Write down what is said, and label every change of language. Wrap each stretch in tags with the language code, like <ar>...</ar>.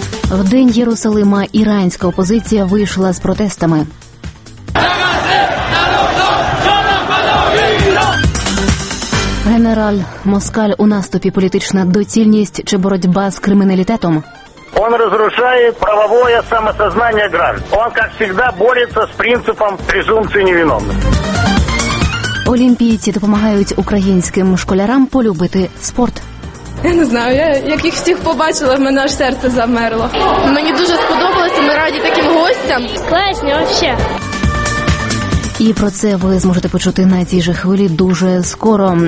<uk>В день Єрусалима іранська опозиція вийшла з протестами. Генераль Москаль у наступі: політична доцільність чи боротьба з криміналітетом?</uk> <ru>Он разрушает правовое самосознание граждан. Он, как всегда, борется с принципом презумпции невиновности.</ru> <uk>Олімпійці допомагають українським школярам полюбити спорт. Я не знаю, я як їх всіх побачила, в мене аж серце замерло. Мені дуже сподобалося, ми раді таким гостям. Класні, вообще. І про це ви зможете почути на цій же хвилі дуже скоро.</uk>